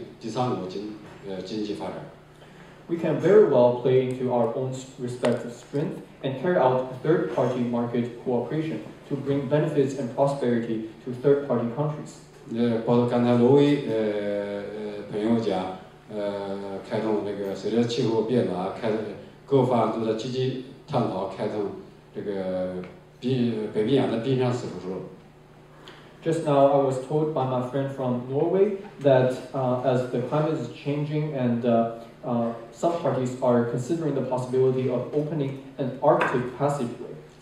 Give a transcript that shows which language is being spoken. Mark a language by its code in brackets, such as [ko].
[zh] 我们可以周日完全可以在第三国利用各自的资源和优势来开展三方合作，促进第三国经济发展。 [en] We can very well play into our own respective strength and carry out third-party market cooperation to bring benefits and prosperity to third-party countries. [zh] 包括刚才罗威朋友讲，开通这个随着气候变暖，各方都在积极探讨开通这个北冰洋的冰川丝绸之路。 [en] Just now, I was told by my friend from Norway that as the climate is changing and some parties are considering the possibility of opening an Arctic passageway.